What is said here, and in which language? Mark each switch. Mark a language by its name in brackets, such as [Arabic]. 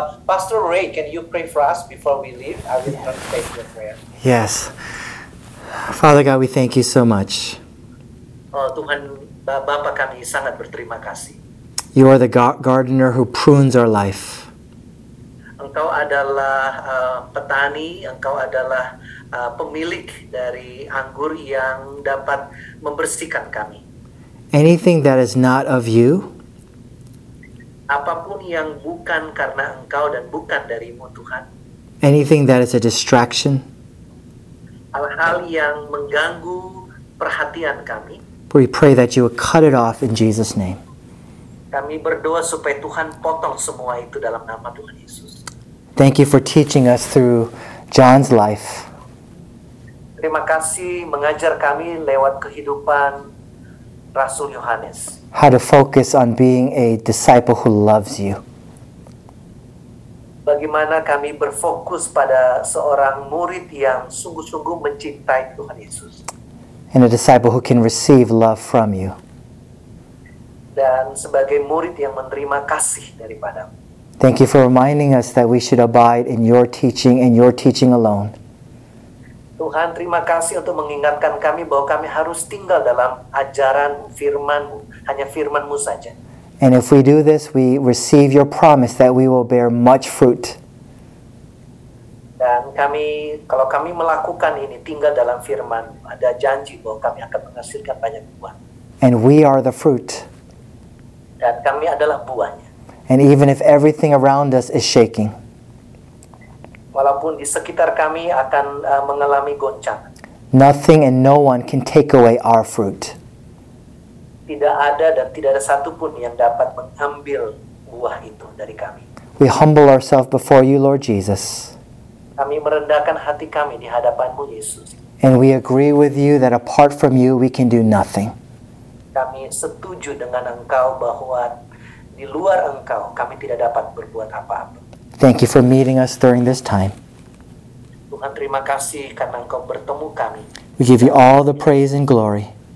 [English] Pastor Ray, can you pray for us before we leave? I will translate your prayer. Yes. Father God, we thank you so much. [Indonesian] Oh, Tuhan, Bapa kami sangat berterima kasih. [English] You are the gardener who prunes our life. [Indonesian] Engkau adalah petani, engkau adalah pemilik dari anggur yang dapat membersihkan kami. [English] Anything that is not of you, [Indonesian] apapun yang bukan karena engkau dan bukan darimu, Tuhan. [English] Anything that is a distraction, [Indonesian] hal-hal yang mengganggu perhatian kami. [English] We pray that you would cut it off in Jesus' name. [Indonesian] Kami berdoa supaya Tuhan potong semua itu dalam nama Tuhan Yesus. [English] Thank you for teaching us through John's life. [Indonesian] Terima kasih mengajar kami lewat kehidupan Rasul Yohanes. [English] How to focus on being a disciple who loves you. [Indonesian] Bagaimana kami berfokus pada seorang murid yang sungguh-sungguh mencintai Tuhan Yesus. [English] And a disciple who can receive love from you. [Indonesian] Dan sebagai murid yang menerima kasih daripadamu. [English] Thank you for reminding us that we should abide in your teaching and your teaching alone. [Indonesian] Tuhan, terima kasih untuk mengingatkan kami bahwa kami harus tinggal dalam ajaran firman-Mu, hanya firman-Mu saja. [English] And if we do this, we receive your promise that we will bear much fruit. [Indonesian] Dan kami, kalau kami melakukan ini, tinggal dalam firman, ada janji bahwa kami akan menghasilkan banyak buah. [English] And we are the fruit. [Indonesian] Dan kami adalah buahnya. [English] And even if everything around us is shaking. [Indonesian] Walaupun di sekitar kami akan mengalami goncangan. [English] Nothing and no one can take away our fruit. [Indonesian] Tidak ada dan tidak ada satu pun yang dapat mengambil buah itu dari kami. [English] We humble ourselves before you, Lord Jesus. [Indonesian] Kami merendahkan hati kami di hadapan-Mu, Yesus. [English] And we agree with you that apart from you, we can do nothing. [Indonesian] Kami setuju dengan engkau bahwa di luar engkau, kami tidak dapat berbuat apa-apa. [English] Thank you for meeting us during this time. [Indonesian] Tuhan, terima kasih karena engkau bertemu kami. [English] We give you all the praise and glory.